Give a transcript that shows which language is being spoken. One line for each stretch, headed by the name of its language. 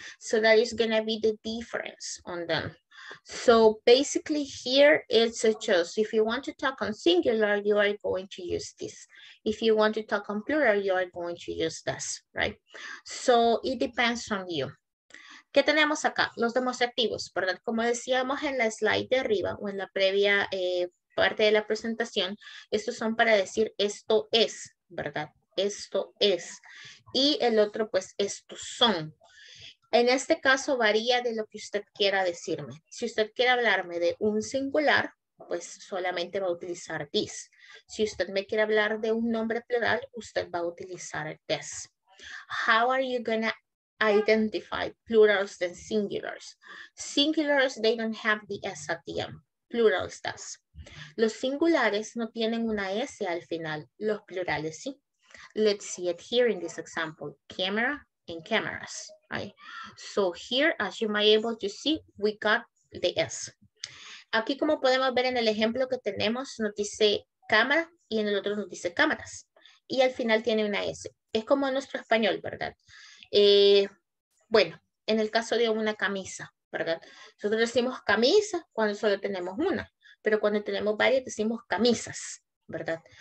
English: So that is gonna be the difference on them. So basically here it's just, if you want to talk on singular, you are going to use this. If you want to talk on plural, you are going to use this, right? So it depends on you.
Spanish: ¿Qué tenemos acá? Los demostrativos, ¿verdad? Como decíamos en la slide de arriba o en la previa parte de la presentación, estos son para decir esto es, ¿verdad? Esto es. Y el otro, pues, estos son. En este caso varía de lo que usted quiera decirme. Si usted quiere hablarme de un singular, pues solamente va a utilizar this. Si usted me quiere hablar de un nombre plural, usted va a utilizar this.
English: how are you gonna identify plurals than singulars? Singulars, they don't have the S at the end. Plurals does.
Spanish: Los singulares no tienen una S al final. Los plurales, sí.
English: Let's see it here in this example. Camera and cameras, right? So here, as you might be able to see, we got the S.
Spanish: Aquí como podemos ver en el ejemplo que tenemos, nos dice cámara y en el otro nos dice cámaras. Y al final tiene una S. Es como nuestro español, ¿verdad? Bueno, en el caso de una camisa, ¿verdad? Nosotros decimos camisa cuando solo tenemos una, pero cuando tenemos varias decimos camisas, ¿verdad?